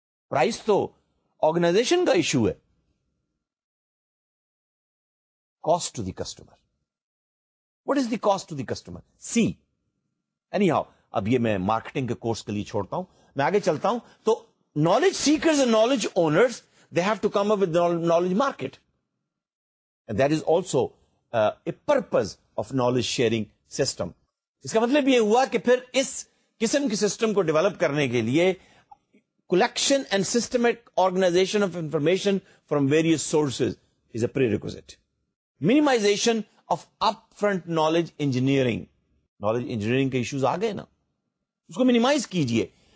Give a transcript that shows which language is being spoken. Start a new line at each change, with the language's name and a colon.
Urdu: Price تو organization کا issue ہے,
English: Cost to the customer. What is the cost to the customer? See any how,
Urdu: اب یہ میں مارکیٹنگ کے کورس کے لیے چھوڑتا ہوں, میں آگے چلتا ہوں.
English: تو knowledge seekers and knowledge owners they have to come up with knowledge market, and that is also a purpose of knowledge sharing system.
Urdu: اس کا مطلب یہ ہوا کہ پھر اس قسم کے سسٹم کو ڈیولپ کرنے کے لیے
English: Collection and systematic organisation of information from various sources is a prerequisite. Minimisation of up front knowledge engineering,
Urdu: knowledge engineering کے ایشوز آ گئے نا, اس کو مینیمائز کیجئے.